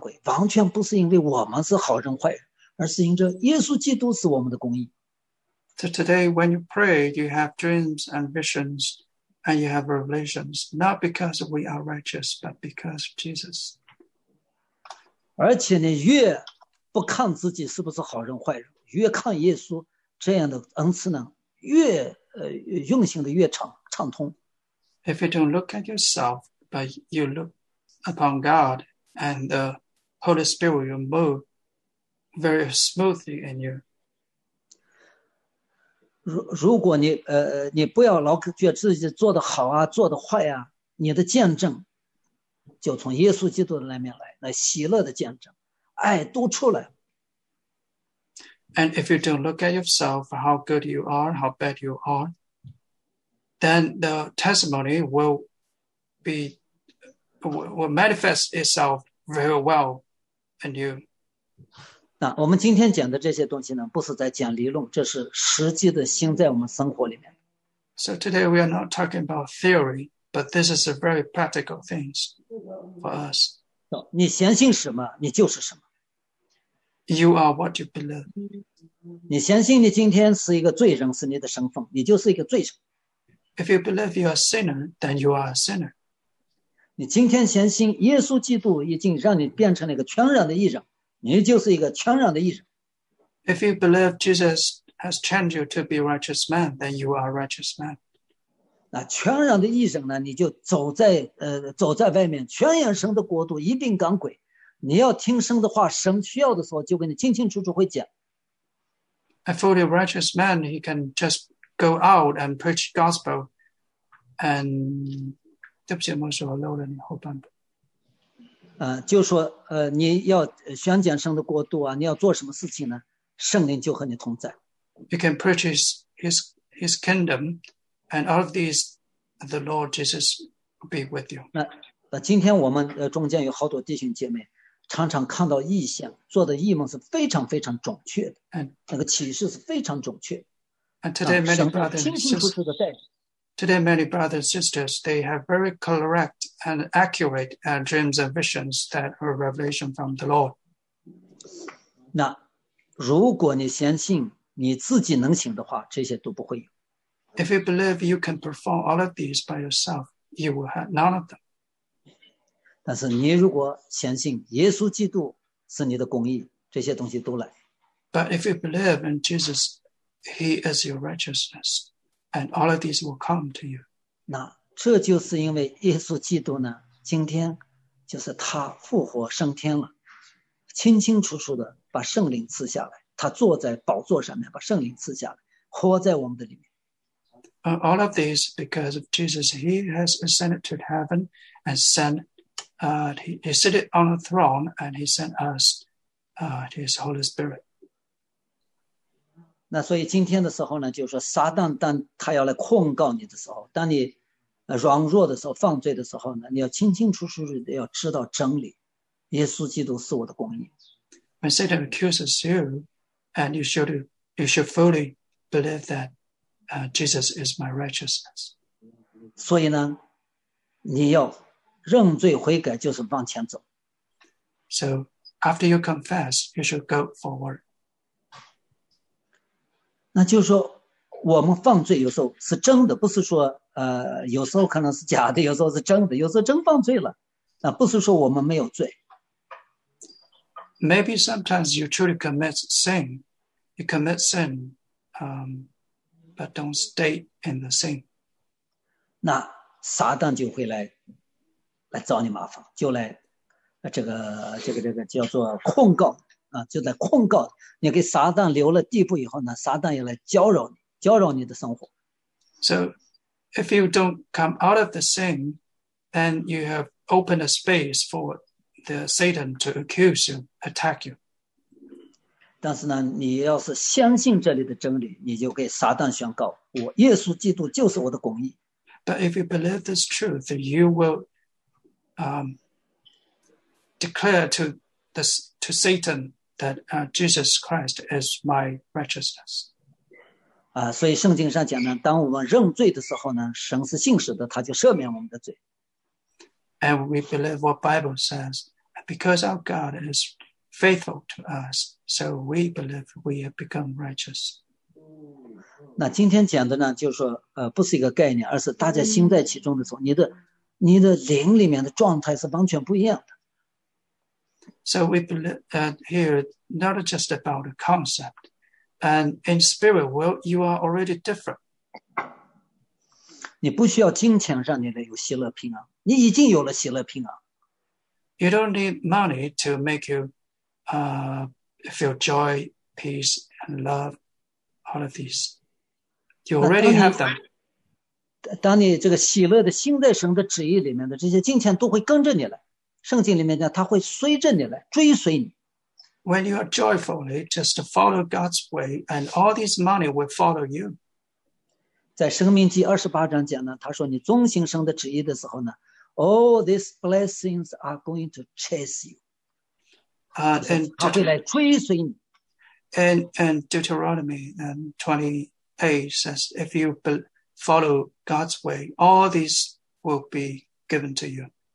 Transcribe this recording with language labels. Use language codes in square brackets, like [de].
[zh] 那今天我们就是说，祷告的时候有启示，有异梦异象，能够一并赶鬼，完全不是因为我们是好人坏人。而是因着耶稣基督是我们的公义。 [en] So today when you pray, you have dreams and visions, and you have revelations, not because we are righteous, but because of Jesus. [zh] 而且你越不看自己是不是好人坏人, 越看耶稣这样的恩赐呢，越用心的越畅通。 [en] If you don't look at yourself, but you look upon God and the Holy Spirit will move very smoothly in you. [zh] 如果 你不要老觉得自己做得好啊，做得坏啊，你的见证就从耶稣基督的那面来，那喜乐的见证，爱都出来。 [en] And if you don't look at yourself, how good you are, how bad you are, then the testimony will manifest itself very well in you. [zh] 那我们今天讲的这些东西呢，不是在讲理论，这是实际的心在我们生活里面。 [en] So today we are not talking about theory, but this is a very practical things for us. [zh] 你相信什么，你就是什么。 [en] You are what you believe. [zh] 你相信你今天是一个罪人是你的身份，你就是一个罪人。 [en] If you believe you are a sinner, then you are a sinner. [zh] 你今天相信耶稣基督已经让你变成了一个全然的义人，你就是一个全然的义人。 [en] If you believe Jesus has changed you to be a righteous man, then you are a righteous man. [zh] 那全然的义人呢，你就走在外面，全然神的国度，一定赶鬼。你要听神的话，神需要的时候就跟你清清楚楚会讲。 [en] A fully righteous man, he can just go out and preach gospel. [zh] And 对不起，我说漏了你后半部。就说你要宣讲神的国度啊，你要做什么事情呢？圣灵就和你同在。 [en] You can preach his kingdom, and all of these, the Lord Jesus will be with you. [zh] 那今天我们中间有好多弟兄姐妹。常常看到异象，做的异梦是非常非常准确的，那个启示是非常准确的。 [en] And today many brothers, [zh] 清清楚楚的带领。 [en] Today many brothers and sisters, they have very correct and accurate dreams and visions that are revelation from the Lord. [zh] 那如果你相信你自己能行的话，这些都不会有。 [en] If you believe you can perform all of these by yourself, you will have none of them. [zh] 但是你如果相信耶稣基督是你的公义，这些东西都来。 [en] But if you believe in Jesus, He is your righteousness, and all of these will come to you. [zh] 那这就是因为耶稣基督呢，今天就是他复活升天了，清清楚楚的把圣灵赐下来，他坐在宝座上面，把圣灵赐下来，活在我们的里面。 [en] All of these because of Jesus, He has ascended to heaven and sent. He seated on a throne and he sent us his Holy Spirit. [zh] 那所以今天的时候呢，就是撒旦当他要来控告你的时候，当你软弱的时候、犯罪的时候呢，你要清清楚楚的要知道真理，耶稣基督是我的公义。 [en] When Satan accuses you, and you should fully believe that Jesus is my righteousness. [zh] 所以呢，你要。认罪悔改就是往前走。 [en] So after you confess, you should go forward. [zh] 那就是说，我们犯罪有时候是真的，不是说有时候可能是假的，有时候是真的，有时候真犯罪了，那不是说我们没有罪。 [en] Maybe sometimes you truly commit sin, you commit sin, but don't stay in the sin. [zh] 那撒旦就会来。来找你麻烦，就来这个叫做控告啊，就在控告你给撒旦留了地步以后呢，撒旦也来搅扰你的生活。 [en] So if you don't come out of the sin, then you have opened a space for the Satan to accuse you, attack you. [zh] 但是呢，你要是相信这里的真理，你就给撒旦宣告，我耶稣基督就是我的公义。 [en] But if you believe this truth, you willDeclare to Satan that Jesus Christ is my righteousness. [zh] 所以圣经上讲呢，当我们认罪的时候呢，神是信实的，他就赦免我们的罪。 [en] And we believe what Bible says, because our God is faithful to us, so we believe we have become righteous. [zh] 那今天讲的呢，就是说，不是一个概念，而是大家心在其中的时候，你的灵里面的状态是完全不一样的。 [en] So we believe here not just about a concept, And in spirit, well, you are already different. [zh] 你不需要金钱让你的有喜乐平安，你已经有了喜乐平安。 [en] You don't need money to make you, feel joy, peace, and love, all of these. You already have them. [zh] 当你这个喜乐的心在神的旨意里面的这些金钱都会跟着你来，圣经里面讲它会随着你来追随你。 [en] When you are joyful, just follow God's way, and all this money will follow you. [zh] 在生命记二十八章讲呢，他说你遵行神的旨意的时候呢 ， [en] all these blessings are going to chase you. And [zh] 他会来追随你。 [en] And Deuteronomy 28 says, if you follow God's way, all these will be given to you.